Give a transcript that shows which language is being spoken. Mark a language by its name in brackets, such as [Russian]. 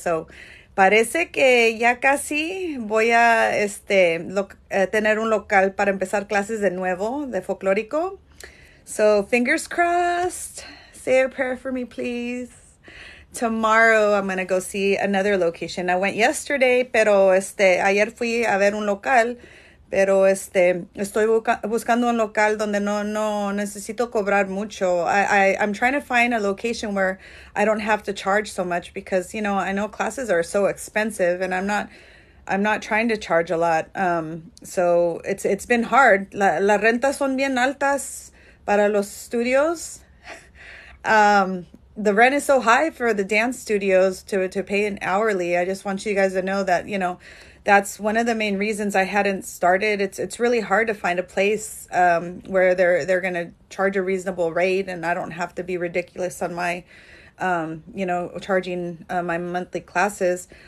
[Spanish] So parece que ya casi voy a tener un local para empezar clases de nuevo de folclórico. [English] So fingers crossed. Say a prayer for me, please. Tomorrow I'm going to go see another location. I went yesterday, [Spanish] pero ayer fui a ver un local, pero estoy buscando un local donde no necesito cobrar mucho. [English] I'm trying to find a location where I don't have to charge so much because, you know, I know classes are so expensive and I'm not trying to charge a lot. So it's been hard. [Spanish] La renta son bien altas para los estudios. [English] The rent is so high for the dance studios to pay an hourly. I just want you guys to know that, you know, that's one of the main reasons I hadn't started. It's really hard to find a place where they're going to charge a reasonable rate and I don't have to be ridiculous on my, you know, charging my monthly classes.